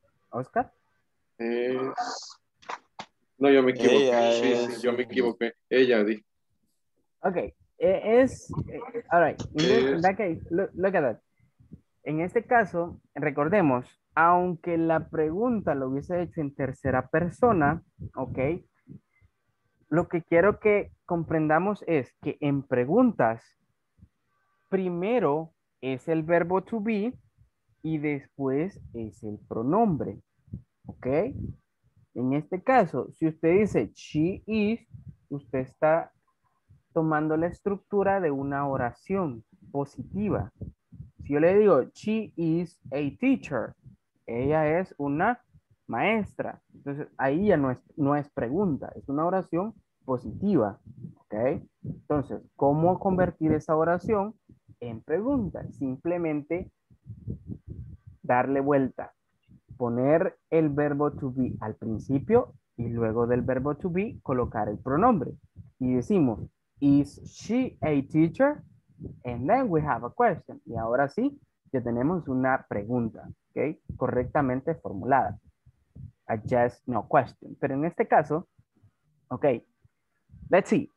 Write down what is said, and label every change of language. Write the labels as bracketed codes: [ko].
[es] Oscar? Es... No, yo me equivoqué. Ella dijo. [en] Okay, es, all right, in that case, look at that. [es] En este caso, recordemos, aunque la pregunta lo hubiese hecho en tercera persona, okay, lo que quiero que comprendamos es que en preguntas, primero es el verbo to be y después es el pronombre, okay. En este caso, si usted dice she is, usted está tomando la estructura de una oración positiva. Si yo le digo, [en] she is a teacher, [es] ella es una maestra. Entonces, ahí ya no es pregunta, es una oración positiva. ¿Okay? Entonces, ¿cómo convertir esa oración en pregunta? Simplemente darle vuelta. Poner el verbo to be al principio y luego del verbo to be colocar el pronombre. Y decimos, [en] is she a teacher? And then we have a question. [es] Y ahora sí, ya tenemos una pregunta, ¿ok? Correctamente formulada. [en] A yes, no question. [es] Pero en este caso, [en] ok, let's see.